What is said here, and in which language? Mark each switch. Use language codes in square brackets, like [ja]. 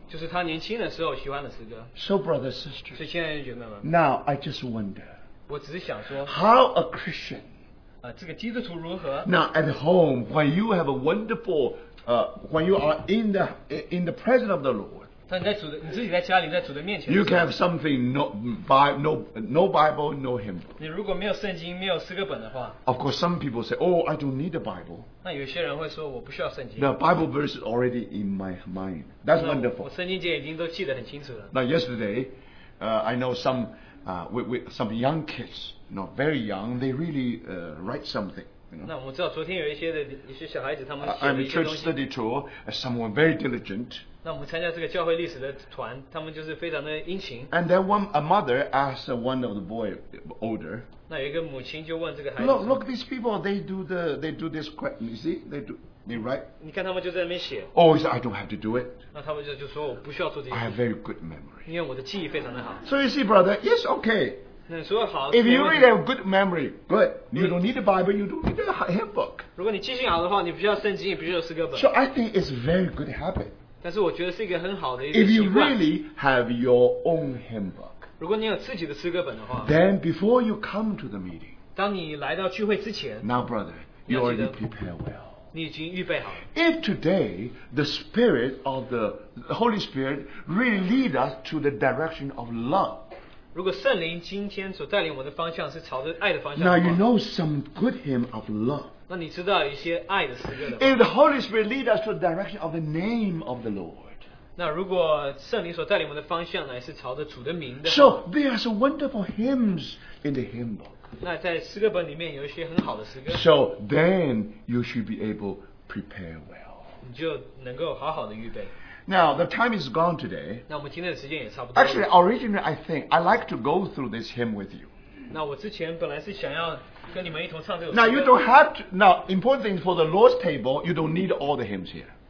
[en] So, brothers and sisters, now I just wonder, [zh] 我只是想说, [en] how a Christian, [zh] 这个基督徒如何, [en] now at home, when you have a wonderful, when you are in the presence of the Lord, [zh] 但你在主的,你自己在家里,在主的面前的时候, [en] you can have something, no Bible, no hymn. [zh] 你如果没有圣经,没有诗歌本的话, [en] of course, some people say, oh, I don't need a Bible. [zh] 那有些人会说我不需要圣经, [en] the Bible verse is already in my mind. That's wonderful. [zh] 我圣经节已经都记得很清楚了。 [en] Now yesterday, I know some some young kids, not very young, they really write something. You know? I'm a church study tour, as someone very diligent. And then a mother asked one of the boy older, look, these people, they do this, you see, they write. [zh] 你看他们就在那边写, [en] oh, he said, I don't have to do it. [zh] 那他们就说我不需要做这些事, [en] I have very good memory. [zh] 因为我的记忆非常的好。 [en] So you see, brother, yes, okay. [zh] 那你说好, [en] if you really have good memory, good. You don't need a Bible, you don't need a hymn book. [zh] 如果你记性好的话, 你不需要圣经, 也不需要诗歌本。 [en] So I think it's a very good habit. [zh] 但是我觉得是一个很好的一个习惯。 [en] If you really have your own hymn book, [zh] 如果你有自己的诗歌本的话, [en] then before you come to the meeting, [zh] 当你来到聚会之前, [en] now brother, you already prepare well. [zh] 你已经预备好, [en] if today the Spirit of the Holy Spirit really lead us to the direction of love, [zh] 如果圣灵今天所带领我们的方向是朝着爱的方向的话, [en] now you know some good hymn of love. [zh] 那你知道一些爱的诗歌的话, [en] if the Holy Spirit lead us to the direction of the name of the Lord, [zh] 那如果圣灵所带领我们的方向乃是朝着主的名的, [en] so there are some wonderful hymns in the hymn book. [zh] 那在诗歌本里面有一些很好的诗歌, [en] so then you should be able to prepare well. [zh] 你就能够好好的预备. [en] Now the time is gone today. [zh] 那我们今天的时间也差不多了. [en] Actually, originally I think I'd like to go through this hymn with you. [zh] 那我之前本来是想要跟你们一同唱这首诗歌. [en] Now you don't have to. Now important thing for the Lord's table, you don't need all the hymns here.